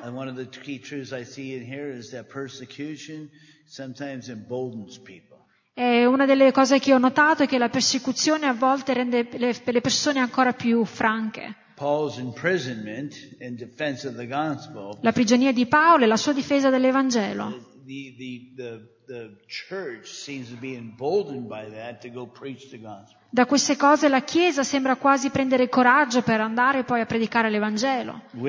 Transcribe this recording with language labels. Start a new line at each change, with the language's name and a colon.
English: And one of the key truths I see in here is that persecution sometimes emboldens people.
Italian: E una delle cose che ho notato è che la persecuzione a volte rende le persone ancora più franche.
English: Paul's imprisonment in defense of the gospel.
Italian: La prigionia di Paolo e la sua difesa dell'Evangelo.
English: The church seems to be emboldened by that to go preach the gospel.
Italian: Da queste cose la Chiesa sembra quasi prendere coraggio per andare poi a predicare l'Evangelo.